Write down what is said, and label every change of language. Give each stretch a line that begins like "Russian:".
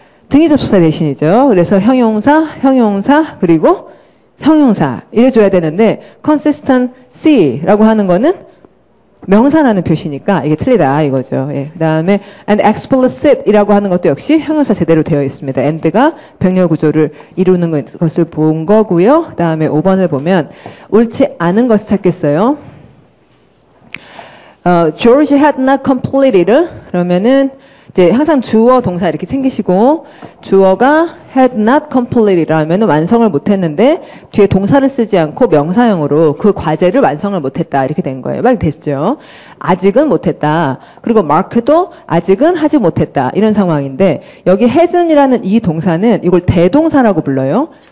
Korean: 등이 접속사 대신이죠. 그래서 형용사, 형용사, 그리고 형용사 이래줘야 되는데, consistency라고 하는 거는 명사라는 표시니까 이게 틀리다 이거죠. 예. 그 다음에 and explicit이라고 하는 것도 역시 형용사 제대로 되어 있습니다. and가 병렬구조를 이루는 것을 본 거고요. 그 다음에 5번을 보면 옳지 않은 것을 찾겠어요.
English: George had not completed.
Korean: 그러면은 이제 항상 주어 동사 이렇게 챙기시고, 주어가
English: had not completed
Korean: 하면 완성을 못했는데, 뒤에 동사를 쓰지 않고 명사형으로 그 과제를 완성을 못했다 이렇게 된 거예요. 빨리 됐죠. 아직은 못했다. 그리고 마크도 아직은 하지 못했다 이런 상황인데, 여기 hasn't이라는 이 동사는 이걸 대동사라고 불러요.